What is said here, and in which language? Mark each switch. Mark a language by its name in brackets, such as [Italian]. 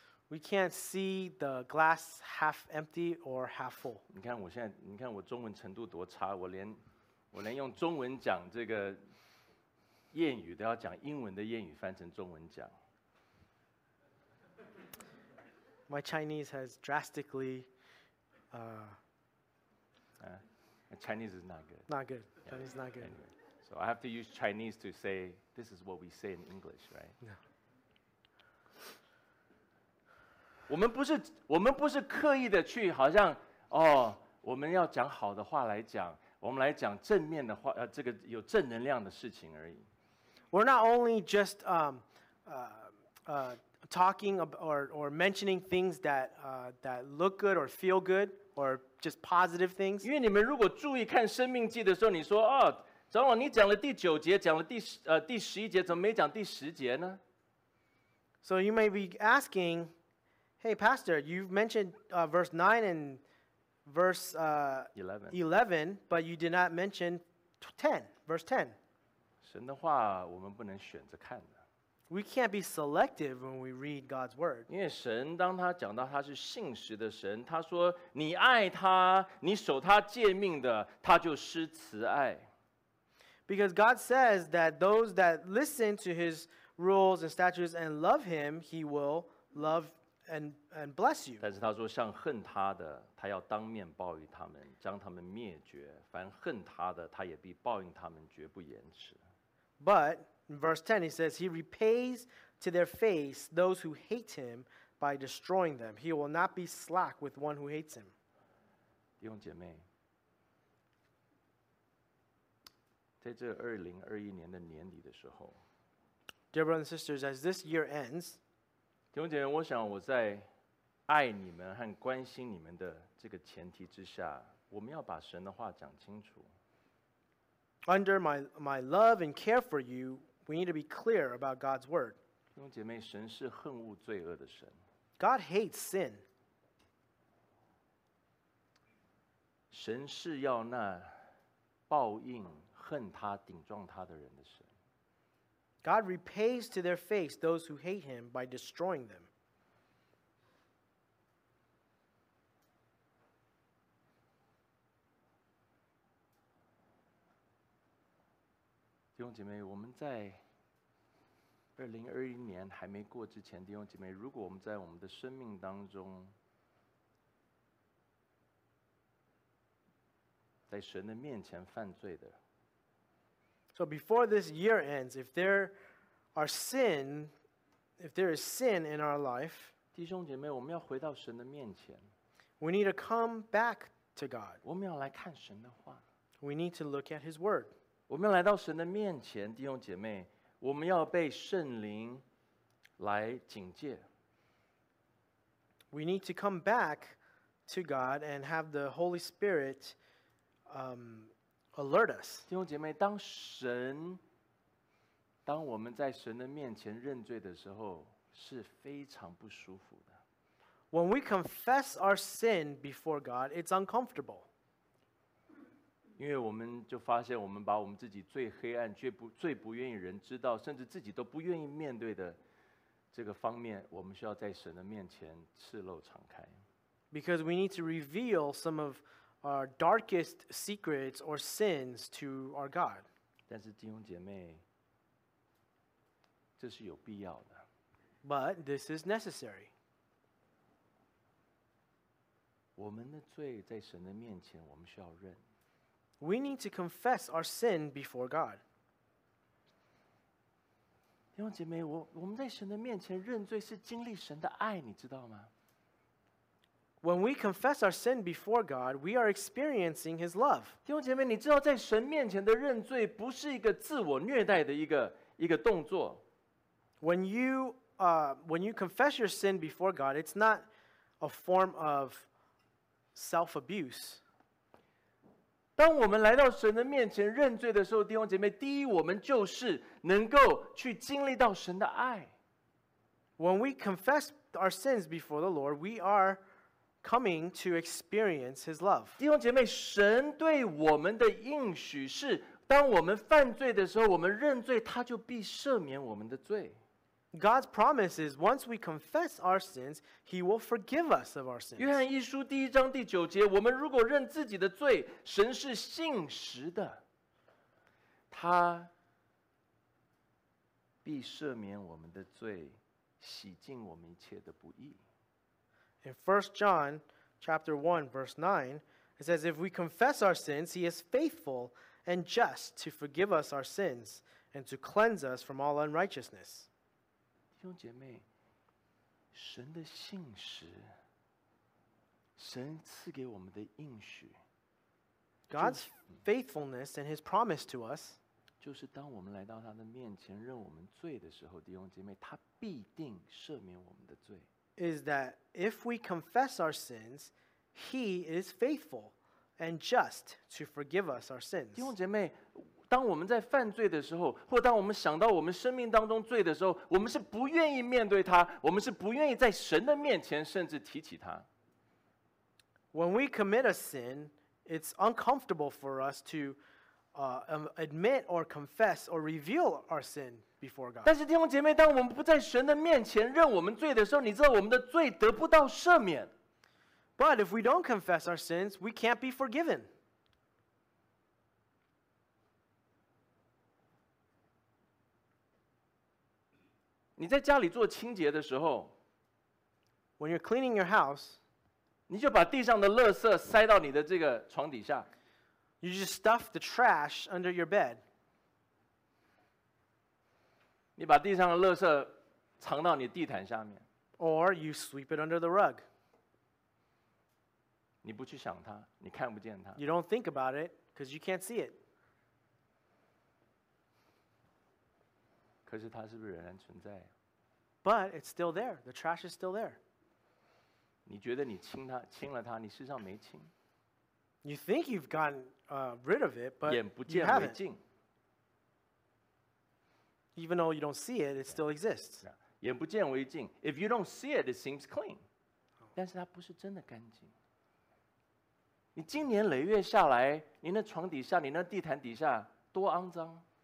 [English] We can't see the glass half empty or half full. [Chinese] 你看我中文程度多差，我连用中文讲这个谚语都要讲英文的谚语翻成中文讲。 [English] My Chinese has drastically, Chinese is not good. Not good. Chinese is not good. Anyway, so I have to use Chinese to say this is what we say in English, right? No. [Chinese] 我们不是刻意的去好像哦，我们要讲好的话来讲，我们来讲正面的话，这个有正能量的事情而已。 [English] We're not only just talking or mentioning things that that look good or feel good or just positive things. [Chinese] 因为你们如果注意看《生命记》的时候，你说哦，长老，你讲了第九节，讲了第十一节，怎么没讲第十节呢 [English] ？So you may be asking. Hey, Pastor, you've mentioned verse 9 and verse 11, but you did not mention 10, verse 10. [Chinese] 神的话我们不能选择看的。 [English] We can't be selective when we read God's word. [Chinese] 因为神当他讲到他是信实的神，他说你爱他，你守他诫命的，他就施慈爱。 [English] Because God says that those that listen to his rules and statutes and love him, he will love you. And bless you. [Chinese] 但是他说，像恨他的，他要当面报应他们，将他们灭绝。凡恨他的，他也必报应他们，绝不延迟。 [English] But in verse 10, he says he repays to their face those who hate him by destroying them. He will not be slack with one who hates him. [Chinese] 弟兄姐妹，在这2021年的年底的时候 [English] ，Dear brothers and sisters, as this year ends. [Chinese] 弟兄姐妹，我想我在爱你们和关心你们的这个前提之下，我们要把神的话讲清楚。 [English] Under my love and care for you, we need to be clear about God's word. [Chinese] 弟兄姐妹，神是恨恶罪恶的神。 [English] God hates sin. [Chinese] 神是要那报应恨他、顶撞他的人的神。 [English] God repays to their face those who hate him by destroying them. [Chinese] 弟兄姐妹，我们在2021年还没过之前，弟兄姐妹，如果我们在我们的生命当中，在神的面前犯罪的。 [English] So before this year ends, if there are sin, if there is sin in our life, [Chinese] 弟兄姐妹，我们要回到神的面前。 [English] We need to come back to God. [Chinese] 我们要来看神的话。 [English] We need to look at His word. [Chinese] 我们要来到神的面前，弟兄姐妹，我们要被圣灵来警戒。 [English] We need to come back to God and have the Holy Spirit, alert us. [Chinese] 弟兄姐妹，当神，当我们在神的面前认罪的时候，是非常不舒服的。 [English] When we confess our sin before God, it's uncomfortable. [Chinese] 因为我们就发现，我们把我们自己最黑暗、最不愿意人知道，甚至自己都不愿意面对的这个方面，我们需要在神的面前赤露敞开。 [English] Because we need to reveal some of our darkest secrets or sins to our God. [Chinese] 但是弟兄姐妹，这是有必要的。 [English] But this is necessary. [Chinese] 我们的罪在神的面前，我们需要认。 [English] We need to confess our sin before God. [Chinese] 弟兄姐妹，我们在神的面前认罪是经历神的爱，你知道吗？ [English] When we confess our sin before God, we are experiencing His love. [Chinese] 弟兄姐妹，你知道在神面前的认罪不是一个自我虐待的一个动作。 [English] When you confess your sin before God, it's not a form of self-abuse. [Chinese] 当我们来到神的面前认罪的时候，弟兄姐妹，第一，我们就是能够去经历到神的爱。 [English] When we confess our sins before the Lord, we are coming to experience His love. [Chinese] 弟兄姐妹，神对我们的应许是，当我们犯罪的时候，我们认罪，他就必赦免我们的罪。 [English] God's promise is once we confess our sins, He will forgive us of our sins. [Chinese] 约翰一书第一章第九节，我们如果认自己的罪，神是信实的，他必赦免我们的罪，洗净我们一切的不义。 [English] In 1 John chapter 1, verse 9, it says, If we confess our sins, He is faithful and just to forgive us our sins and to cleanse us from all unrighteousness. [Chinese] 弟兄姐妹，神的信实，神赐给我们的应许， [English] God's faithfulness and His promise to us, [Chinese] 就是当我们来到他的面前认我们罪的时候，弟兄姐妹，他必定赦免我们的罪。 [English] Is that if we confess our sins, He is faithful and just to forgive us our sins. [Chinese] 弟兄姐妹，当我们在犯罪的时候，或当我们想到我们生命当中罪的时候，我们是不愿意面对它，我们是不愿意在神的面前甚至提起它。 [English] When we commit a sin, it's uncomfortable for us to admit or confess or reveal our sin. God. [Chinese] 但是弟兄姐妹，当我们不在神的面前认我们罪的时候，你知道我们的罪得不到赦免。 [English] But if we don't confess our sins, we can't be forgiven. [Chinese] 你在家里做清洁的时候 [English] ，When you're cleaning your house, [Chinese] 你就把地上的垃圾塞到你的这个床底下。 [English] You just stuff the trash under your bed. [Chinese] 你把地上的垃圾藏到你地毯下面 [English] ，or you sweep it under the rug。 [Chinese] 你不去想它，你看不见它。 [English] You don't think about it because you can't see it。 [Chinese] 可是它是不是仍然存在 [English] ？But it's still there. The trash is still there. [Chinese] 你觉得你清它，清了它，你事实上没清。 [English] You think you've gotten rid of it, but [Chinese] 眼不见为净。 [English] Even though you don't see it, it still exists. [Chinese] 眼不见为净。 [English] If you don't see it, it seems clean. [Chinese] 但是它不是真的干净。你经年累月下来，你那床底下，你那地毯底下，多肮脏。